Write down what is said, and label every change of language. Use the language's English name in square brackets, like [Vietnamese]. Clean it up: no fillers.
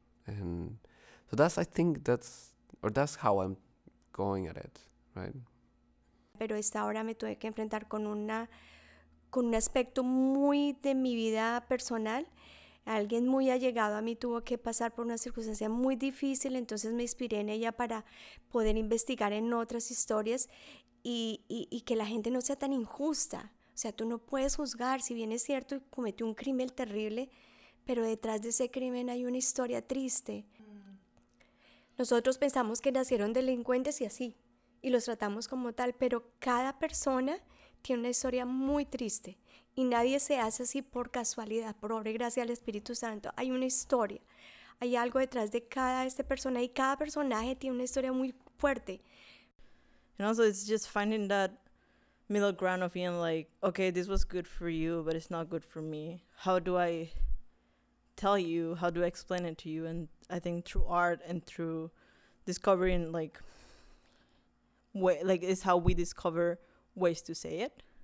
[English] And so that's, I think that's, or that's how I'm going at it, right? [Spanish] Pero esta hora me tuve que enfrentar con un aspecto muy de mi vida personal. Alguien muy allegado a mí tuvo que pasar por una circunstancia muy difícil, entonces me inspiré en ella para poder investigar en otras historias y que la gente no sea tan injusta. O sea, tú no puedes juzgar, si bien es cierto, cometió un crimen terrible, pero detrás de ese crimen hay una historia triste. Nosotros pensamos que nacieron delincuentes y así, y los tratamos como tal, pero cada persona tiene una historia muy triste y nadie se hace así por casualidad, por obra y gracia del Espíritu Santo. Hay una historia, hay algo detrás de cada esta persona y cada personaje tiene una historia muy fuerte. [English] And also it's just finding that middle ground of being like, okay, this was good for you, but it's not good for me. How do I tell you? How do I explain it to you? And I think through art and through discovering like way, like it's how we discover ways to say it.